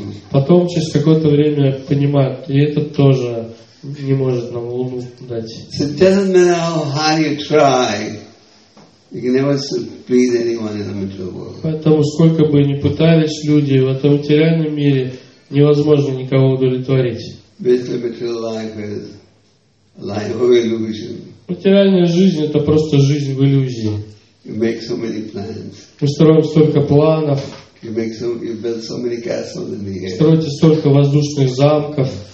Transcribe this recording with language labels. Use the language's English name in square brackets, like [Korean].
[Russian] Потом через какое-то время понимают, и этот тоже не может нам луну дать. [English] It doesn't matter how hard you try. You can never please anyone in the material world. [Russian] Поэтому сколько бы ни пытались люди в этом материальном мире, невозможно никого удовлетворить. [English] Material life is a life of illusion. [Russian] Материальная жизнь это просто жизнь в иллюзии. [English] You make so many plans. [Russian] Мы строим столько планов. [English] You build so many castles in the air. [Russian] Строите столько воздушных замков.